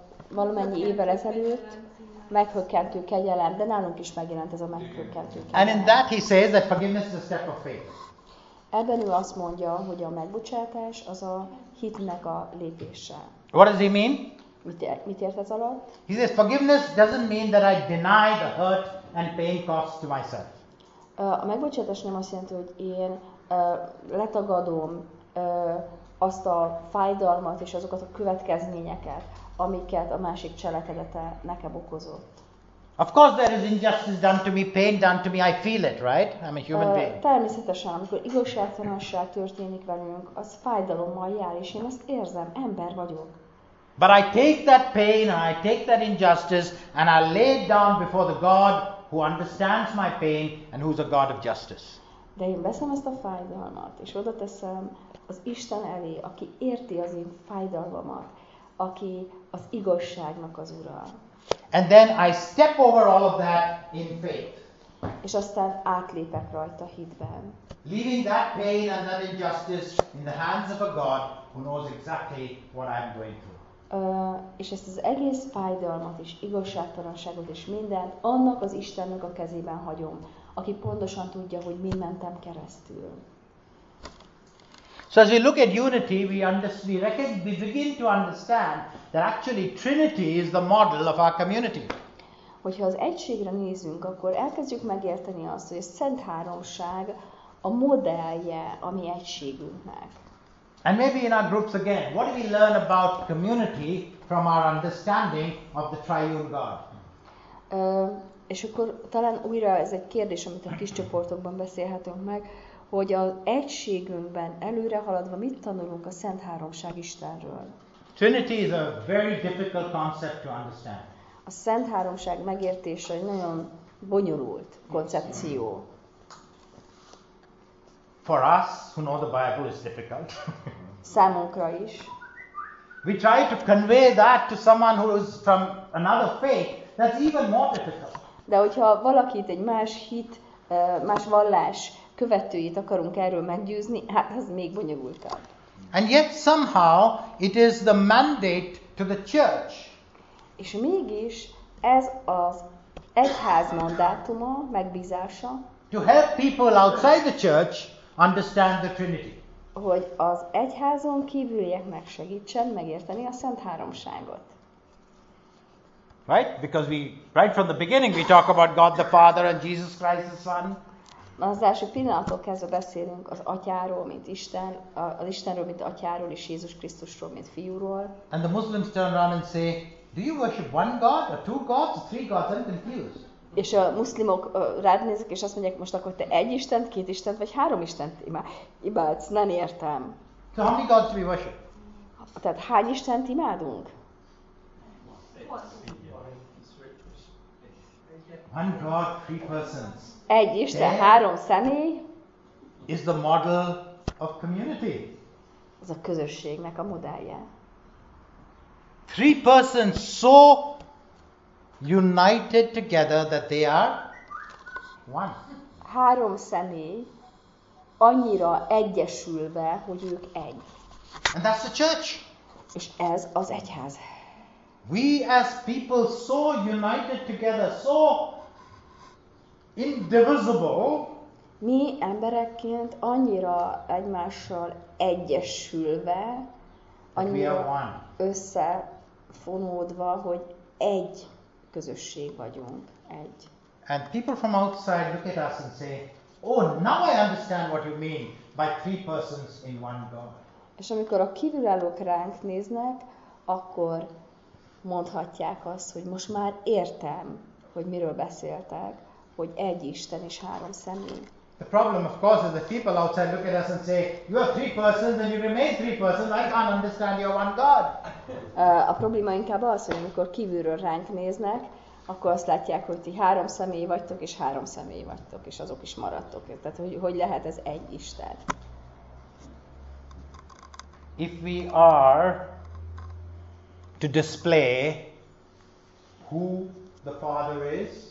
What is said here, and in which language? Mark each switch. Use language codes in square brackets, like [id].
[hu] Valamennyi évvel ezelőtt Meghökkentő kegyelem, de nálunk is megjelent ez a Meghökkentő kegyelem. [en] And in that he says that forgiveness is a step of faith. [hu] Ebben ő azt mondja, hogy a megbocsátás az a hitnek a lépése. [en] What does he mean? [hu] Mit ért ez alatt? [en] He says forgiveness doesn't mean that I deny the hurt and pain caused to myself. [hu] A megbocsátás nem azt jelenti, hogy én letagadom azt a fájdalmat és azokat a következményeket, amiket a másik cselekedete nekem okozott. [en] Of course there is injustice done to me, pain done to me, I feel it, right? I'm a human being. [hu] Természetesen, amikor igazságtalanság történik velünk, az fájdalommal jár, és én ezt érzem, ember vagyok. [en] But I take that pain and I take that injustice and I lay it down before the God who understands my pain and who's a God of justice. [hu] De én veszem ezt a fájdalmat, és oda teszem az Isten elé, aki érti az én fájdalmamat, aki az igazságnak az ura. [en] And then I step over all of that in faith. [hu] És aztán átlépek rajta hitben. [en] Leaving that pain and that injustice in the hands of a God who knows exactly what I'm going through. [hu] És ezt az egész fájdalmat és igazságtalanságot és mindent annak az Istennek a kezében hagyom, aki pontosan tudja, hogy mi mentem keresztül. [en] So as we look at unity, we begin to understand that actually Trinity is the model of our community. [hu] Hogyha az egységre nézünk, akkor elkezdjük megérteni azt, hogy a Szent Háromság a modellje a mi egységünknek. [en] And maybe in our groups again, what do we learn about community from our understanding of the triune God? [hu] És akkor talán újra ez egy kérdés, amit a kis csoportokban beszélhetünk meg, hogy az egységünkben előre haladva mit tanulunk a Szent Háromság Istenről. [en] Trinity is a very difficult concept to understand. [hu] A Szent Háromság megértése egy nagyon bonyolult koncepció. [en] For us who know the Bible is difficult. [hu] Számunkra is. [en] We try to convey that to someone who is from another faith, that's even more difficult. [hu] De hogyha valakit egy más hit, más vallás követőjét akarunk erről meggyőzni, hát az még bonyolultabb. [en] And yet somehow it is the mandate to the church. [hu] És mégis ez az egyház mandátuma, megbízása. [en] To help people outside the church understand the Trinity. [hu] Hogy az egyházon kívülieknek segítsen megérteni a Szent Háromságot. [en] Right? Because we right from the beginning we talk about God the Father and Jesus Christ the Son. [hu] Az első pillanattól kezdve beszélünk az Atyáról, mint Isten, az Istenről, mint Atyáról, és Jézus Krisztusról, mint Fiúról. [en] And the Muslims turn around and say, do you worship one God, or two gods, or three gods? I'm confused. [hu] És a muszlimok rád nézik, és azt mondják, most akkor te egy Istent, két Istent, vagy három Istent imádsz, nem értem. [en] So how many gods do we worship? [hu] Tehát hány Istent imádunk? [en] One God, three persons. [hu] Egy Isten, there három személy. [en] Is the model of community. [hu] Ez a közösségnek a modellje. [en] Three persons, so united together that they are one. [hu] Három személy annyira egyesülve, hogy ők egy. [en] And that's the church. [hu] És ez az egyház. [en] We as people so united together, so indivisible. [hu] Mi emberekként annyira egymással egyesülve, annyira összefonódva, hogy egy közösség vagyunk, egy. [en] And people from outside look at us and say, oh, now I understand what you mean by three persons in one God. [hu] És amikor a kívülállók ránk néznek, akkor mondhatják azt, hogy most már értem, hogy miről beszéltek, hogy egy Isten és három személy. [en] The problem of course is that people outside look at us and say, you are three persons and you remain three persons, I can't understand you are one God. [hu] A probléma inkább az, hogy amikor kívülről ránk néznek, akkor azt látják, hogy ti három személy vagytok, és három személy vagytok, és azok is maradtok. Tehát hogy lehet ez egy Isten? [en] If we are to display who the Father is,